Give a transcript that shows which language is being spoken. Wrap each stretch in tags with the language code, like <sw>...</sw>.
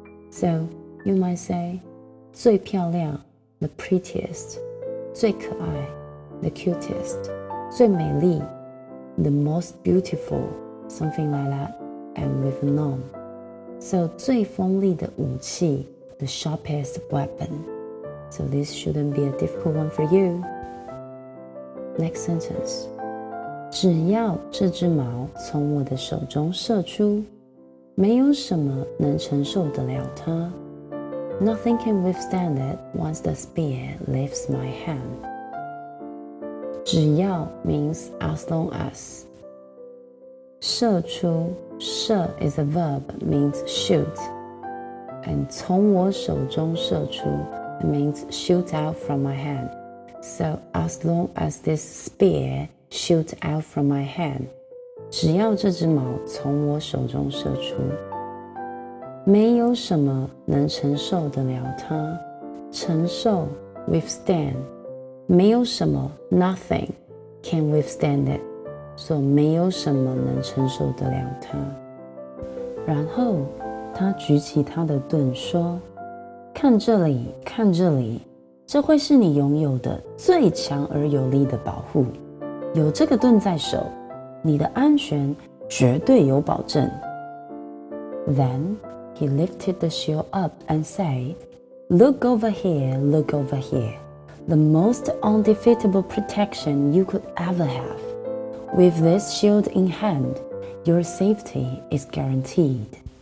<en>So, you might say 最漂亮, the prettiest, 最可爱, the cutest, 最美丽,the most beautiful, something like that, and with a noun. So,</en> <zh>最锋利的武器,</zh> <en>the sharpest weapon. So this shouldn't be a difficult one for you. Next sentence.</en> <zh>只要这只矛从我的手中射出, 没有什么能承受得了它。</zh> <en>Nothing can withstand it once the spear leaves my hand. 只要 means as long as. 射出射 is a verb, means shoot. And</en> <zh>从我手中射出</zh> <en>means shoot out from my hand. So as long as this spear shoot out from my hand.</en> <zh>只要这只矛从我手中射出。没有什么能承受得了它。</zh> <en>承受 withstand.</en> <zh>没有什么</zh> <en>nothing can withstand it.</en> <zh>So, 没有什么能承受得了它。然后他举起他的盾说看这里看这里这会是你拥有的最强而有力的保护。有这个盾在手你的安全绝对有保证。</zh> <en>Then, he lifted the shield up and said, Look over here, look over here. The most undefeatable protection you could ever have. With this shield in hand, your safety is guaranteed.</en>